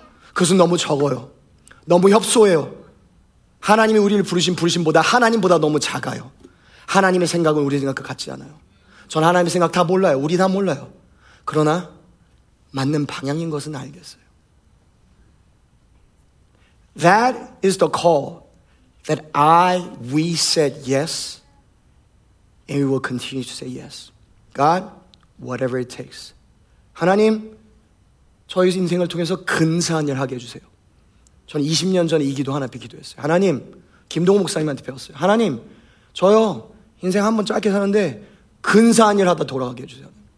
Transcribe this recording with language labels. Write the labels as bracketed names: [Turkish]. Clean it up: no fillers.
[Korean] 그것은 너무 적어요. 너무 협소해요. 하나님이 우리를 부르신 부르심보다 하나님보다 너무 작아요. 하나님의 생각은 우리 생각과 같지 않아요. 전 하나님의 생각 다 몰라요. 우리 다 몰라요. 그러나 맞는 방향인 것은 알겠어요. [English] That is the call that we said yes and we will continue to say yes. God, whatever it takes. [Korean] 하나님, 저희 인생을 통해서 근사한 일 하게 해주세요. 저는 20년 전에 이 기도 하나 기도했어요. 하나님, 김동호 목사님한테 배웠어요. 하나님, 저요 인생 한번 짧게 사는데 근사한 일 하다 돌아가게 해주세요.